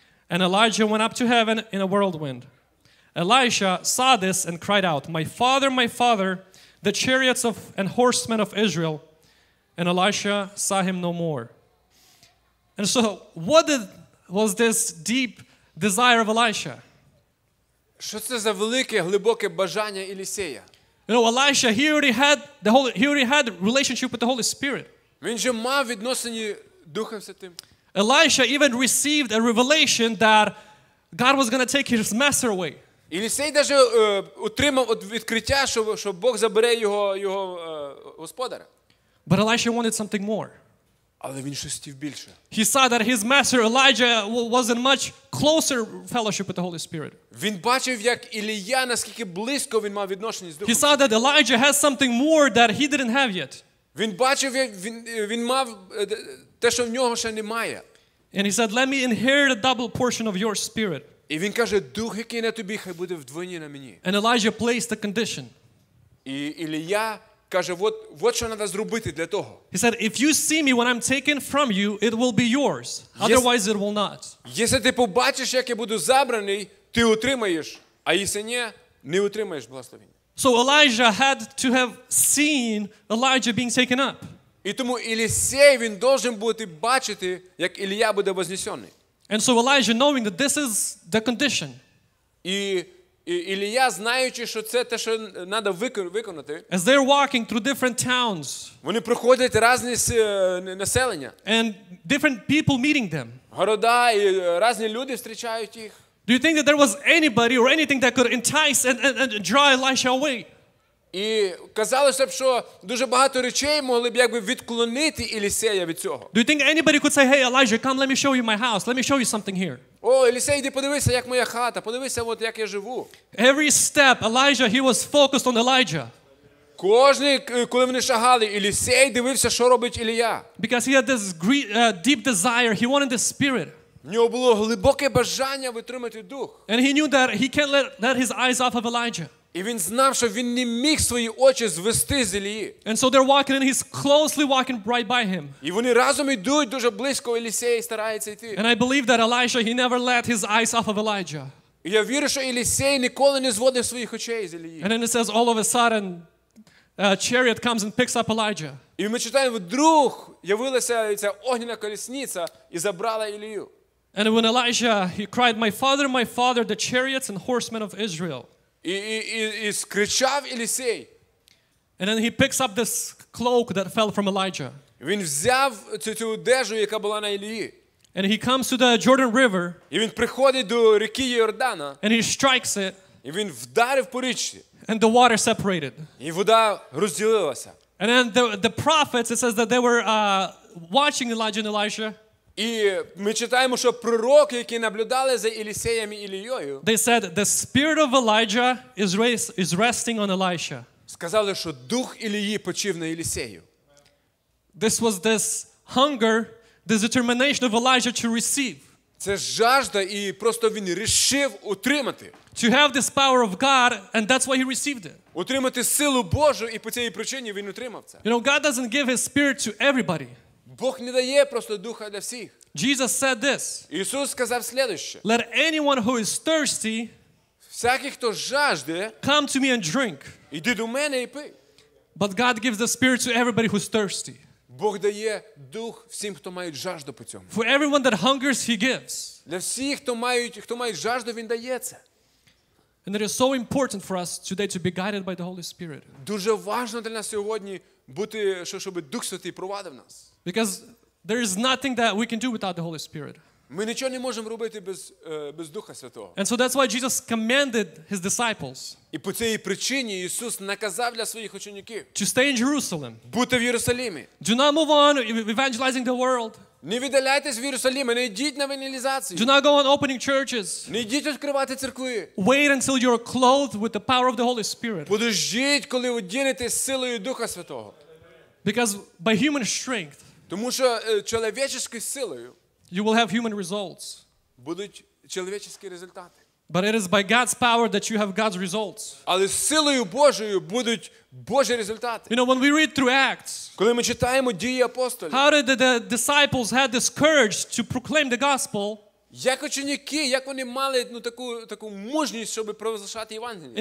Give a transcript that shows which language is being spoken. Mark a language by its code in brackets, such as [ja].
[en] And Elijah went up to heaven in a whirlwind. Elisha saw this and cried out, "My father, my father, the chariots of and horsemen of Israel." And Elisha saw him no more. And so, what was this deep desire of Elisha? [uk] Що це за велике, глибоке бажання Елісея? [en] You know, Elisha, he already had relationship with the Holy Spirit. [uk] Він же мав відносини Духом Святим. [en] Elisha even received a revelation that God was going to take his master away. [uk] Елісей даже отримав відкриття, що Бог забере його господаря. [en] But Elisha wanted something more. [uk] Але він щось хотів більше. [en] He saw that his master Elijah was in much closer fellowship with the Holy Spirit. [uk] Він бачив, як Ілія, наскільки близько він мав відношення з Духом. [en] He saw that Elijah has something more that he didn't have yet. [uk] Він бачив, як він мав те, що в нього ще немає. [en] And he said, "Let me inherit a double portion of your spirit." [uk] І він каже, "Дух, який на тобі, хай буде вдвоє на мені." [en] And Elijah placed a condition. [uk] І Ілія каже, от що треба зробити для того. [en] He said, "If you see me when I'm taken from you, it will be yours. Otherwise, it will not." [uk] Якщо ти побачиш, як я буду забраний, ти отримаєш, а якщо ні, не отримаєш благословення. [en] So Elijah had to have seen Elijah being taken up. [uk] І тому Елісей, він должен бути бачити, як Ілія буде вознесений. [en] And so Elijah, knowing that this is the condition. [uk] І Ілія, знаючи, що це те, що треба виконати. [en] As they're walking through different towns. [uk] Вони проходять різні населення. [en] And different people meeting them. [uk] Города і різні люди зустрічають їх. [en] Do you think that there was anybody or anything that could entice and draw Elisha away? [uk] І казалося б, що дуже багато речей могли б якби відклонити Елісея від цього. [en] Do you think anybody could say, "Hey Elijah, come, let me show you my house. Let me show you something here." [uk] О, Елісей, іди подивися, як моя хата. Подивися, от як я живу. [en] Every step Elijah, he was focused on Elijah. [uk] Кожний, коли вони шагали, Елісей дивився, що робить Ілія. [en] Because he had this great, deep desire, he wanted the spirit. [uk] В нього було глибоке бажання витримати дух. [en] And he knew that he can't let his eyes off of Elijah. [uk] І він знав, що він не міг свої очі звести з Ілії. [en] And so they're walking and he's closely walking right by him. [uk] І вони разом йдуть дуже близько, Елісей старається йти. [en] And I believe that Elijah, he never let his eyes off of Elijah. [uk] І я вірю, що Елісей ніколи не зводив своїх очей з Ілії. [en] And then it says all of a sudden a chariot comes and picks up Elijah. [uk] І ми читаємо, вдруг явилася ця огняна колісниця і забрала Ілію. [en] And when Elijah, he cried, my father, the chariots and horsemen of Israel. [uk] І скричав Елісей. [en] And then he picks up this cloak that fell from Elijah. [uk] Він взяв цю одежу, яка була на Ілії. [en] And he comes to the Jordan River. [uk] І він приходить до ріки Йордана. [en] And he strikes it. [uk] І він вдарив по річці. [en] And the water separated. [uk] І вода розділилася. [en] And then the prophets, it says that they were watching Elijah and Elisha. [uk] І ми читаємо, що пророки, які наблюдали за Елісеєм і Ілією, [en] they said the spirit of Elijah is resting on Elisha. [uk] Сказали, що дух Ілії почив на Елісею. [en] This was this hunger, this determination of Elijah to receive. [uk] Це жажда, і просто він рішив отримати. [en] To have this power of God, and that's why he received it. [uk] Отримати силу Божу, і по цій причині він отримав це. [en] You know, God doesn't give his spirit to everybody. [uk] Бог не дає просто духа для всіх. [en] Jesus said this. [uk] Ісус сказав следующее. [en] Let anyone who is thirsty, [uk] всякий, хто жажде, [en] come to me and drink. [uk] Іди до мене і пий. [en] But God gives the spirit to everybody who's thirsty. [uk] Бог дає дух всім, хто має жажду по цьому. [en] For everyone that hungers, he gives. [uk] Для всіх, хто має жажду, він дає це. [en] And it is so important for us today to be guided by the Holy Spirit. [uk] Дуже важливо для нас сьогодні бути, щоб Дух Святий провадив нас. [en] Because there is nothing that we can do without the Holy Spirit. [uk] Ми нічого не можемо робити без Духа Святого. [en] And so that's why Jesus commanded his disciples. [uk] І по цій причині Ісус наказав для своїх учнів. [en] To stay in Jerusalem. [uk] Бути в Єрусалимі. [en] Do not move on evangelizing the world. [uk] Не віддаляйтесь в Єрусалим, не йдіть на евангелізацію. [en] Do not go on opening churches. [uk] Не йдіть відкривати церкви. [en] Wait until you're clothed with the power of the Holy Spirit. [uk] Подождіть, коли одінетесь силою Духа Святого. [en] Because by human strength, [uk] тому що чоловічою силою, [en] you will have human results. [uk] Будуть чоловічі результати. [en] But it is by God's power that you have God's results. [uk] Але силою Божою будуть Божі результати. [en] You know, when we read through Acts, [uk] коли ми читаємо Дії апостолів, [en] how did the disciples had this courage to proclaim the gospel? [uk] Як ученики, як вони мали таку мужність, щоб провозглашати Євангеліє?